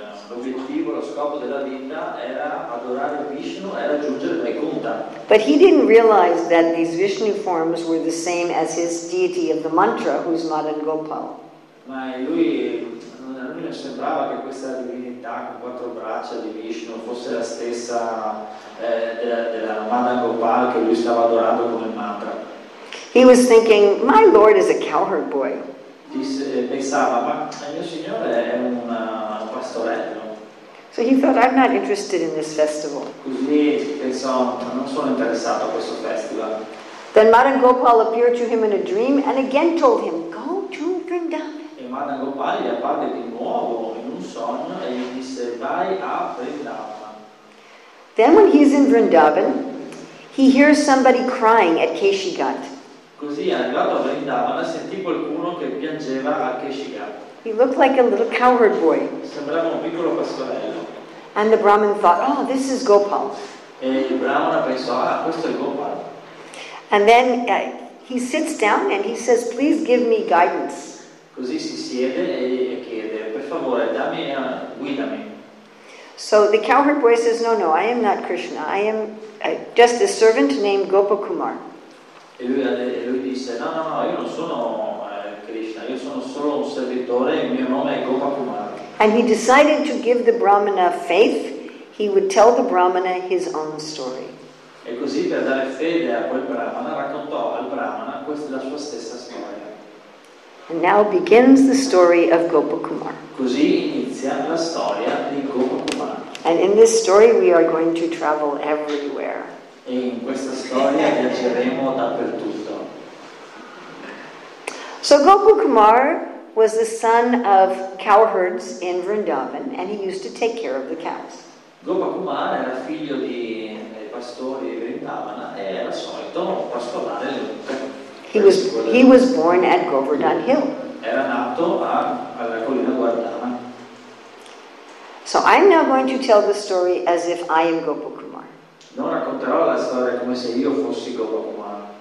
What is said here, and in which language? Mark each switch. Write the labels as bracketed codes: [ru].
[it] L'obiettivo, lo scopo della vita era adorare Vishnu e raggiungere Vaikuntha. [en] But he didn't realize that these Vishnu forms were the same as his deity of the mantra, who's Madan Gopal. [it] Ma lui non sembrava che questa divinità con quattro braccia di Vishnu fosse la stessa della Madan Gopal che lui stava adorando come mantra. [en] He was thinking, my lord is a cowherd boy. [it] Pensava, ma il mio signore è un pastorello. [en] So he thought, I'm not interested in this festival. [it] Così pensò, non sono interessato a questo festival. [en] Then Madan Gopal appeared to him in a dream and again told him, go to Vrindavan. [it] E Madan Gopal gli apparve di nuovo in un sogno e gli disse, vai a Vrindavan. [en] Then when he's in Vrindavan, He hears somebody crying at Keshigat. [it] Così, arrivato a Vrindavana, sentì qualcuno che piangeva a Keshigat. [en] He looked like a little cowherd boy. [it] Sembrava un piccolo pastorello. [en] And the Brahmin thought, oh, this is Gopal. [it] E il Brahmana pensò, ah, questo è Gopal. [en] And then he sits down and he says, please give me guidance. [it] Così si siede e chiede, per favore, dammi, guidami. [en] So the cowherd boy says, no, I am not Krishna. I am just a servant named Gopakumar. [it] E lui disse, no, io non sono Krishna, io sono solo un servitore, il mio nome è Gopakumar. [en] And he decided to give the Brahmana faith. He would tell the Brahmana his own story. [it] E così per dare fede a quel Brahmana, raccontò al Brahmana questa la sua stessa storia. [en] And now begins the story of Gopakumar. [it] Così inizia la storia di Gopakumar. [en] And in this story we are going to travel everywhere. [it] E in questa storia viaggeremo dappertutto. [en] So Gopakumar was the son of cowherds in Vrindavan, and he used to take care of the cows. [it] Gopakumar era figlio di pastori di Vrindavana e era solito pastorare le [en] He was born at Govardhan Hill. [it] Era nato alla collina Govardhana. [en] So I'm now going to tell the story as if I am Gopakumar. [it] Non racconterò la storia come se io fossi Gopakumar.